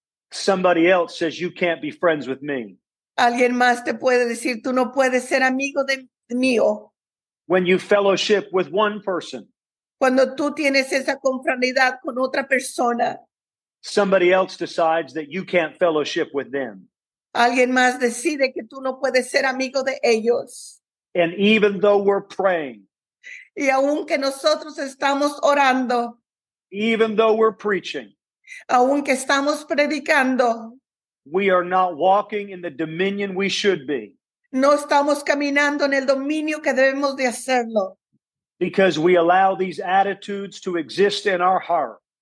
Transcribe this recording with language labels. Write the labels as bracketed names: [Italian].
[English] Somebody else says you can't be friends with me. [Spanish] Alguien más te puede decir tú no puedes ser amigo de mío. [English] When you fellowship with one person. [Spanish] Cuando tú tienes esa confraternidad con otra persona. [English] Somebody else decides that you can't fellowship with them. [Spanish] Alguien más decide que tú no puedes ser amigo de ellos. [English] And even though we're praying. [Spanish] Y aunque nosotros estamos orando. [English] Even though we're preaching. [Spanish] Aunque estamos predicando. [English] We are not walking in the dominion we should be. [Spanish] No estamos caminando en el dominio que debemos de hacerlo. [English] Because we allow these attitudes to exist in our heart.